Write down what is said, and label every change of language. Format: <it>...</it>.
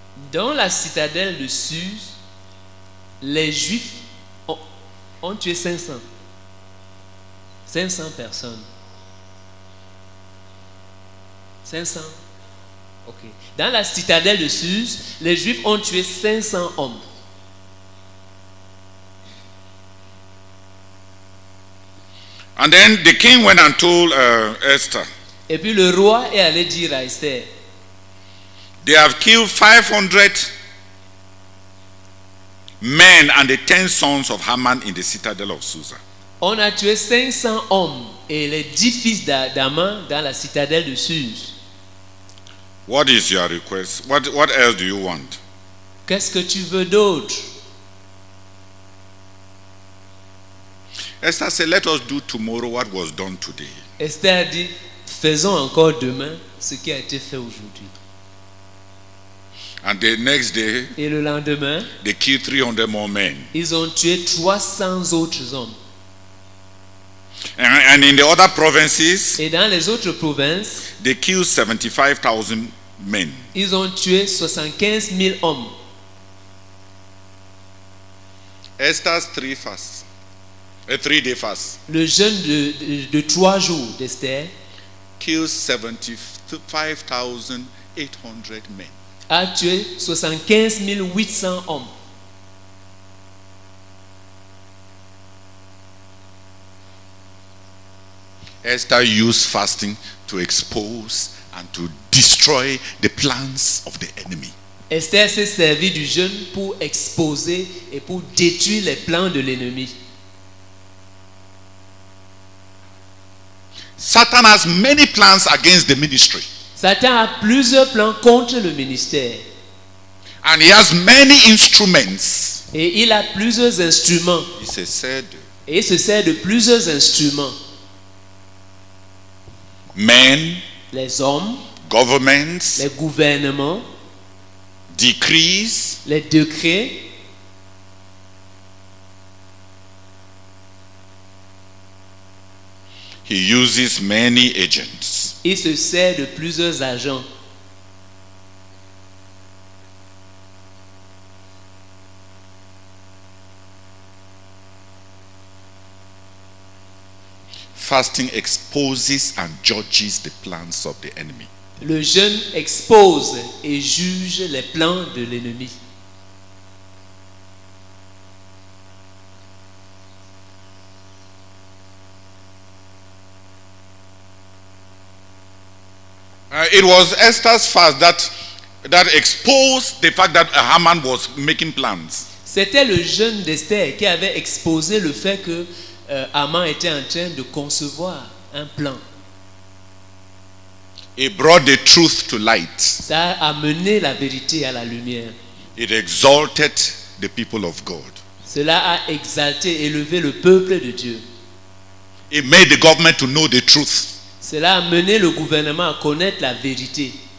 <fr>Dans la citadelle de Susa, les Juifs ont tué 500 personnes. 500. Okay. Dans la citadelle de Susa, les Juifs ont tué 500 hommes.</fr> <en>And then the king went and told Esther.</en> <fr>Et puis le roi est allé dire à Esther.</fr> <en>They have killed 500 men and the 10 sons of Haman in the citadel of Susa.</en> <fr>On a tué 500 hommes et les 10 fils d'Haman dans la citadelle de Susa.</fr> <en>What is your request? What else do you want?</en> <fr>Qu'est-ce que tu veux d'autre?</fr> <en>Esther said, "Let us do tomorrow what was done today."</en> <fr>Esther a dit, faisons encore demain ce qui a été fait aujourd'hui.</fr> <en>And the next day,</en> <fr>et le lendemain,</fr> <en>they killed 300 more men.</en> <fr>Ils ont tué 300 autres hommes.</fr> <en>And in the other provinces,</en> <fr>et dans les autres provinces,</fr> <en>they killed 75,000 men.</en> <fr>Ils ont tué 75 000 hommes.</fr> <en>Esther's three fasts. A 3-day fast.</en> <fr>Le jeûne de 3 jours d'Esther</fr> <en>kill 75,800 men.</en> <fr>A tué 75 800 hommes.</fr> <en>Esther used fasting to expose and to destroy the plans of the enemy.</en> <fr>Esther s'est servi du jeûne pour exposer et pour détruire les plans de l'ennemi.</fr> <en>Satan has many plans against the ministry.</en> <fr>Satan a plusieurs plans contre le ministère.</fr> <en>And he has many instruments.</en> <fr>Et il a plusieurs instruments. Et il se sert de plusieurs instruments.</fr> <en>Men,</en> <fr>les hommes,</fr> <en>governments,</en> <fr>les gouvernements,</fr> <en>decrees,</en> <fr>les décrets.</fr> <en>He uses many agents.</en> <fr>Il se sert de plusieurs agents.</fr> <en>Fasting exposes and judges the plans of the enemy.</en> <fr>Le jeûne expose et juge les plans de l'ennemi.</fr> <en>It was Esther's fast that exposed the fact that Haman was making plans.</en> <fr>C'était le jeûne d'Esther qui avait exposé le fait que Haman était en train de concevoir un plan.</fr> <en>It brought the truth to light.</en> <fr>Ça a amené la vérité à la lumière.</fr> <en>It exalted the people of God.</en> <fr>Cela a exalté, élevé le peuple de Dieu.</fr> <en>It made the government to know the truth.</en> <fr>Cela a mené le gouvernement à connaître la vérité.</fr>